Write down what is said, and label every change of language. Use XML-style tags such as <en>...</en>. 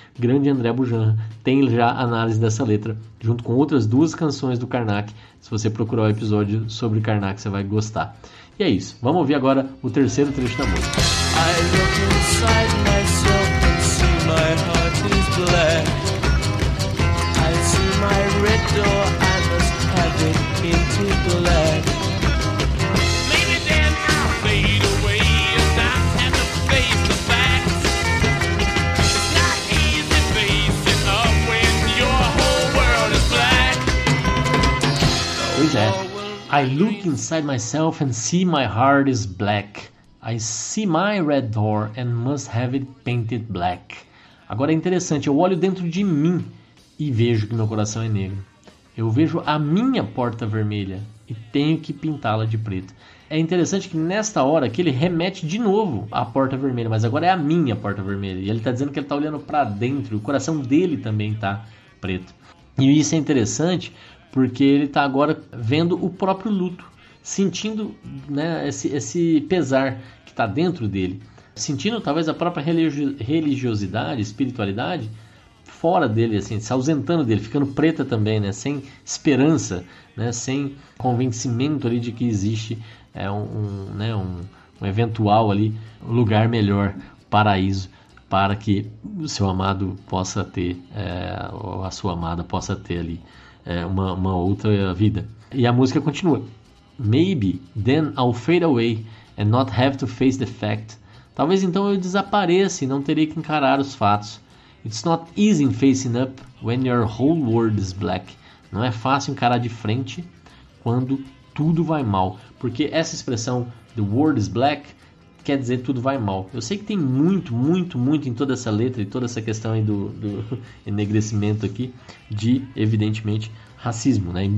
<pt>Grande André Bujanra tem já análise dessa letra, junto com outras duas canções do Karnak. Se você procurar o episódio sobre Karnak, você vai gostar. E é isso. Vamos ouvir agora o terceiro trecho da música.</pt> <en>I look inside myself and see my heart is black. I see my red door, I must have it into black. Maybe then I'll fade away and I have to face the facts. It's not easy facing up when your whole world is black.</en> <pt>Pois é.</pt> <en>I look inside myself and see my heart is black. I see my red door and must have it painted black.</en> <pt>Agora é interessante, eu olho dentro de mim e vejo que meu coração é negro. Eu vejo a minha porta vermelha e tenho que pintá-la de preto. É interessante que nesta hora que ele remete de novo à porta vermelha, mas agora é a minha porta vermelha. E ele está dizendo que ele está olhando para dentro, o coração dele também está preto. E isso é interessante porque ele está agora vendo o próprio luto, sentindo, né, esse pesar que está dentro dele, sentindo talvez a própria religiosidade, espiritualidade fora dele, assim, se ausentando dele, ficando preta também, né, sem esperança, né, sem convencimento ali de que existe um eventual ali lugar melhor, paraíso, para que o seu amado possa ter, ou a sua amada possa ter ali uma outra vida. E a música continua.</pt> <en>Maybe then I'll fade away and not have to face the fact.</en> <pt>Talvez então eu desapareça e não terei que encarar os fatos.</pt> <en>It's not easy facing up when your whole world is black.</en> <pt>Não é fácil encarar de frente quando tudo vai mal. Porque essa expressão,</pt> <en>the world is black,</en> <pt>quer dizer tudo vai mal. Eu sei que tem muito, muito, muito em toda essa letra e toda essa questão aí do enegrecimento aqui de, evidentemente, racismo, né?</pt>